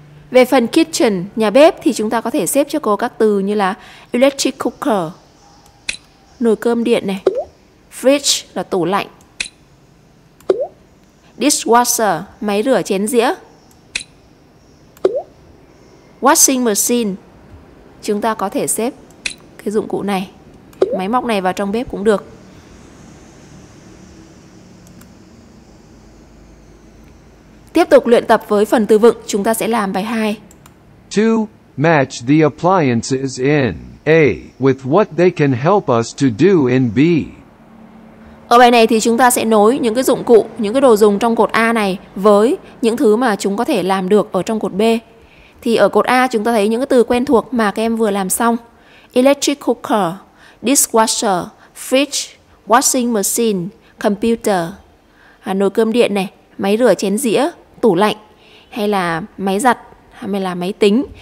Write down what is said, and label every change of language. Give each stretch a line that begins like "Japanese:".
Vietnamese: Về phần kitchen, nhà bếp thì chúng ta có thể xếp cho cô các từ như là electric cooker, nồi cơm điện này, fridge là tủ lạnh, dishwasher, máy rửa chén dĩa, washing machine, chúng ta có thể xếp cái dụng cụ này, máy móc này vào trong bếp cũng được. Tiếp tục luyện tập với phần từ vựng, chúng ta sẽ làm bài 2. 2.
English: Match the appliances in A with what they can help us to do in B.
Vietnamese: Ở bài này thì chúng ta sẽ nối những cái dụng cụ, những cái đồ dùng trong cột A này với những thứ mà chúng có thể làm được ở trong cột B. Thì ở cột A chúng ta thấy những cái từ quen thuộc mà các em vừa làm xong. Electric cooker, dishwasher, fridge, washing machine, computer, nồi cơm điện này, máy rửa chén dĩa, tủ lạnh, hay là máy giặt, hay là máy tính.